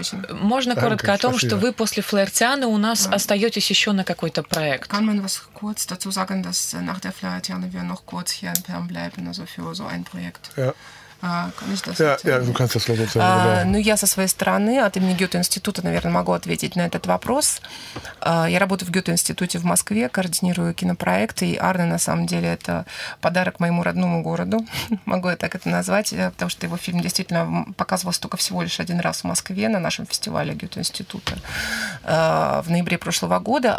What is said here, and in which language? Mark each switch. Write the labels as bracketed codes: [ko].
[ru] Можно коротко о том, что вы после Флертиана у нас остаетесь еще на какой-то проект. [de] Kann man was kurz dazu sagen, dass nach der Flertiane wir noch kurz hier in Perm bleiben, also für so ein Projekt? Ja. [ru] Ну, я со своей стороны, от имени Гёте-института, наверное, могу ответить на этот вопрос. Я работаю в Гёте-институте в Москве, координирую кинопроекты, и Арне, на самом деле, это подарок моему родному городу, могу я так это назвать, потому что его фильм действительно показывался только всего лишь один раз в Москве на нашем фестивале Гёте-института в ноябре прошлого года.